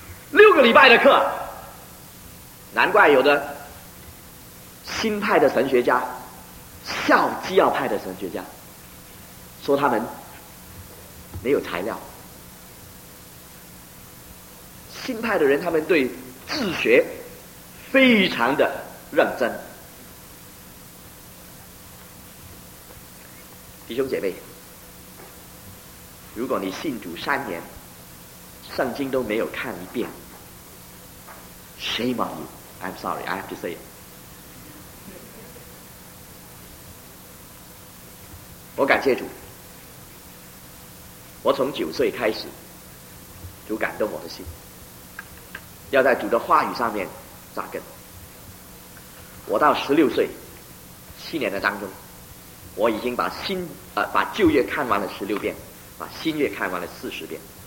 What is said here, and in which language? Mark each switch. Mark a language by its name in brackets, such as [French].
[Chinese] 六个礼拜的课，难怪有的新派的神学家笑基要派的神学家，说他们没有材料。新派的人他们对自学非常的认真。弟兄姐妹，如果你信主三年圣经都没有看一遍， [English] shame on you， I'm sorry， I have to say it。 [Chinese] 我感谢主，我从9岁开始主感动我的心，要在主的话语上面扎根。我到16岁，7年的当中，我已经把旧约看完了16遍，把新约看完了40遍。